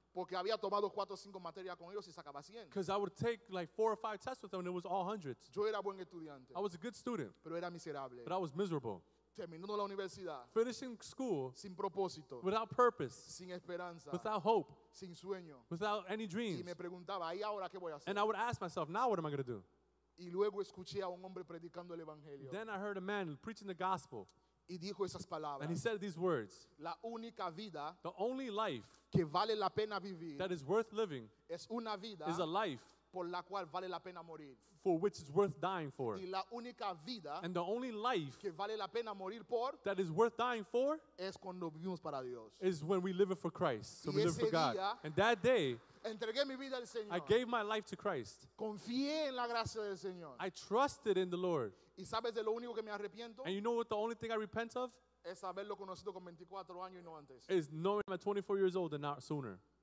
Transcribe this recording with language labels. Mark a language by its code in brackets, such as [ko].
[es] Porque había tomado 4 o 5 materias con ellos y sacaba 100. [en] Because I would take like 4 or 5 tests with them and it was all hundreds. [es] Yo era buen estudiante. [en] I was a good student. [es] Pero era miserable. [en] But I was miserable. [es] Terminando la universidad. [en] Finishing school. [es] Sin propósito. [en] Without purpose. [es] Sin esperanza. [en] Without hope. [es] Sin sueño. [en] Without any dreams. [es] Y me preguntaba, ¿y ahora qué voy a hacer? [en] And I would ask myself, now what am I going to do? [es] Y luego escuché a un hombre predicando el evangelio. [en] Then I heard a man preaching the gospel. [es] Y dijo esas palabras. [en] And he said these words. [es] La única vida. [en] The only life. [es] Que vale la pena vivir. [en] That is worth living. [es] Es una vida. [en] Is a life. [es] por la cual vale la pena morir. [en] For which is worth dying for. [es] Y la única vida [en] and the only life [es] que vale la pena morir por [en] that is worth dying for [es] es cuando vivimos para Dios. [en] Is when we live it for Christ. So [es] y [en] we live for God. [es] Día, [en] and that day, [es] entregué mi vida al Señor. [en] I gave my life to Christ. [es] Confié en la gracia del Señor. [en] I trusted in the Lord. [es] Y sabes de lo único que me arrepiento? [en] And you know what the only thing I repent of? [es] Es haberlo conocido con 24 años y no antes. [en] Is knowing I'm 24 years old and not sooner.